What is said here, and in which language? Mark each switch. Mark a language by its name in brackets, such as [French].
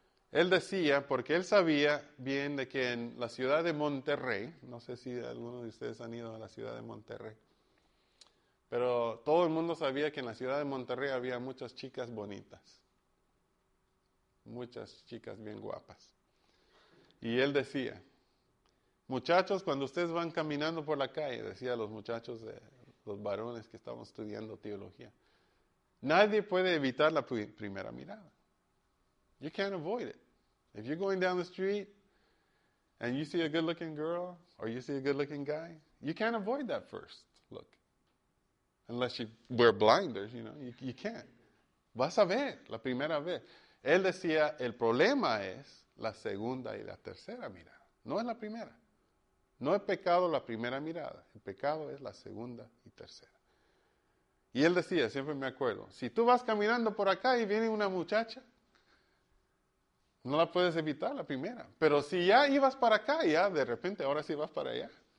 [Spanish] Él decía, porque él sabía bien de que en la ciudad de Monterrey, no sé si alguno de ustedes han ido a la ciudad de Monterrey, pero todo el mundo sabía que en la ciudad de Monterrey había muchas chicas bonitas, muchas chicas bien guapas. Y él decía, muchachos, cuando ustedes van caminando por la calle, decía a los muchachos, los varones que estaban estudiando teología, nadie puede evitar la primera mirada. [English] You can't avoid it. If you're going down the street and you see a good-looking girl or you see a good-looking guy, you can't avoid that first look. Unless you wear blinders, you know, you can't. [Spanish] Vas a ver la primera vez. Él decía, el problema es la segunda y la tercera mirada. No es la primera. No es pecado la primera mirada. El pecado es la segunda y tercera. Y él decía, siempre me acuerdo, si tú vas caminando por acá y viene una muchacha, no la puedes evitar la primera, pero si ya ibas para acá, ya de repente ahora sí vas para allá.